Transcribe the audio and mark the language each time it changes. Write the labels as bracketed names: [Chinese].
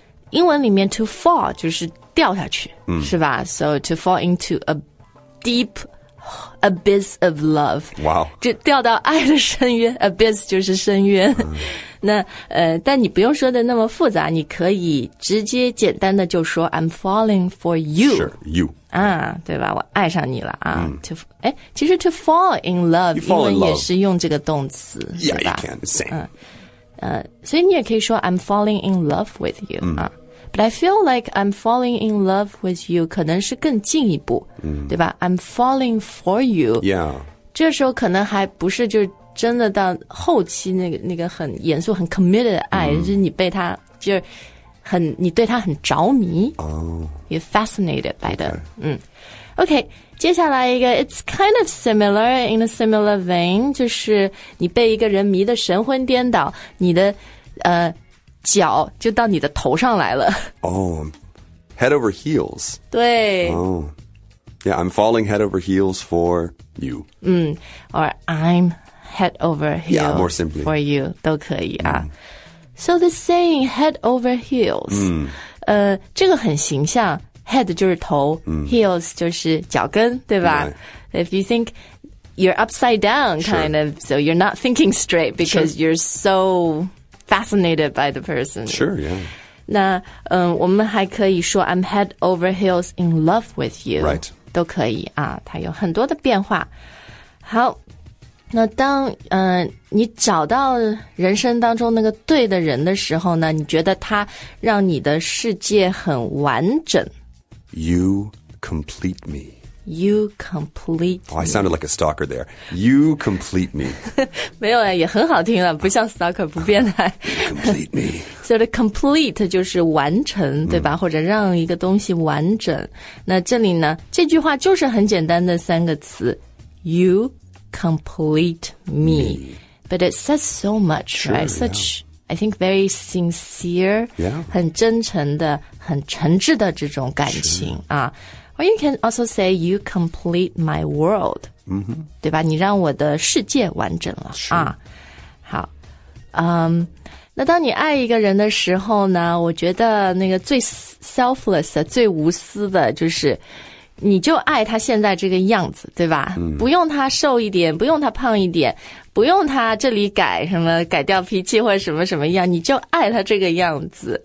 [English] 英文里面 to fall [Chinese] 就是掉下去、是吧 [English] So to fall into a deep abyss of love. Wow. [Chinese] 就掉到爱的深渊 Abyss 就是深渊、那但你不用说的那么复杂，你可以直接简单的就说 [English] "I'm falling for you." Sure, you. [Chinese] 啊，对吧？我爱上你了啊。 [English] 其实 to fall in love, you fall in love. [Chinese] 英文也是用这个动词， [English] yeah, [Chinese] 对吧？ [English] Yeah, you can same. [Chinese] 所以你也可以说 [English] "I'm falling in love with you." 啊、but I feel like I'm falling in love with you [Chinese] 可能是更进一步，对吧 [English] ？I'm falling for you. Yeah. [Chinese] 这时候可能还不是就。真的到后期那个很严肃很 committed 的爱、就是你被他就是很你对他很着迷哦、 [English] You're fascinated by them、 okay. [Chinese] Okay 接下来一个 [English] It's kind of similar in a similar vein [Chinese] 就是你被一个人迷得神魂颠倒你的脚就到你的头上来了 [English] 哦、Head over heels [Chinese] 对 [English] 哦、Yeah I'm falling head over heels for you Or I'mHead over heels for you [Chinese] 都可以啊、 [English] So the saying head over heels、 [Chinese] 这个很形象 [English] Head 就是头、Heels [Chinese] 就是脚跟对吧、 [English] right. If you think you're upside down kind、 sure. of So you're not thinking straight Because、 sure. you're so fascinated by the person Sure, yeah 那、 [Chinese] 我们还可以说 [English] I'm head over heels in love with you Right [Chinese] 都可以啊它有很多的变化好那当你找到人生当中那个对的人的时候呢你觉得他让你的世界很完整 [English] You complete me You complete me Oh, I sounded like a stalker there You complete me [Chinese] 没有啊也很好听了不像 stalker 不变态 [English] complete me [Chinese] So the complete 就是完成对吧、或者让一个东西完整那这里呢这句话就是很简单的三个词 [English] YouComplete me. me but it says so much sure, right such、 yeah. I think very sincere yeah [Chinese] 很真诚的很诚挚的这种感情、 [English] sure. 啊 Or you can also say, you complete my world.、 Mm-hmm. [Chinese] 对吧你让我的世界完整了。是。好。那当你爱一个人的时候呢我觉得那个最 selfless 的最无私的就是你就爱他现在这个样子对吧、嗯、不用他瘦一点不用他胖一点不用他这里改什么改掉脾气或者什么什么样你就爱他这个样子、